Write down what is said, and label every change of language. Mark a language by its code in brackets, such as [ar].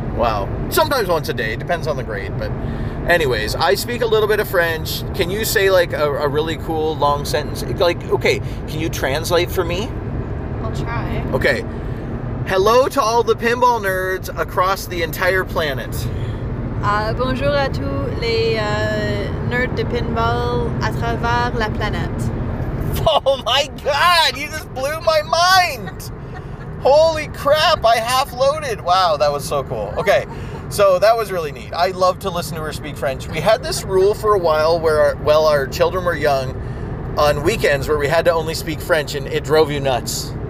[en] Wow. Sometimes once a day. Depends on the grade. But anyways, I speak a little bit of French. Can you say, like, a really cool long sentence? Like, okay, can you translate for me? I'll try. Okay. Hello to all the pinball nerds across the entire planet. [fr] Bonjour à tous les nerds de pinball à travers la planète. [en] Oh my god, you just blew my mind. Holy crap, I half loaded. Wow, that was so cool. Okay, so that was really neat. I love to listen to her speak French. We had this rule for a while where our children were young on weekends where we had to only speak French, and it drove you nuts.